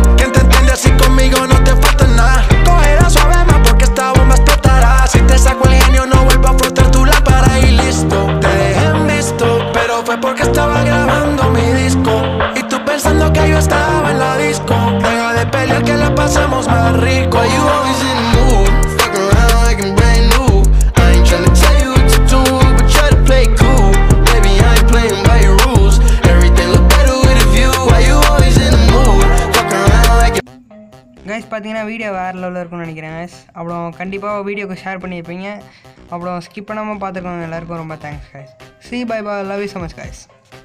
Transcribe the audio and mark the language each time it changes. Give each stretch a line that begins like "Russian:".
Spanish: Quien te entiende así conmigo no te falta nada. Cogerá suave más porque esta bomba explotará. Si te saco el genio no vuelvo a frotar tu lámpara y listo. Te dejé en visto, pero fue porque estaba grabando mi disco. Y tú pensando que yo estaba en la disco. Deja de pelear que la pasamos más rico.
English: Why you always in the mood? Fuck around like I'm brand new. I ain't tryna tell you what to do, but try to play cool. Baby, I ain't playing by your rules. Everything look better with a view. Why you always in the mood? Fuck around like
Tamil: guys, பார்த்தீங்கன்னா video வேறு லெவலில் இருக்கும்னு நினைக்கிறேன் guys. அப்புறம் கண்டிப்பாக வீடியோக்கு share பண்ணியிருப்பீங்க. அப்புறம் ஸ்கிப் பண்ணாமல் பார்த்துருக்கோம். எல்லாருக்கும் ரொம்ப thanks guys. C, by by, love you so much guys.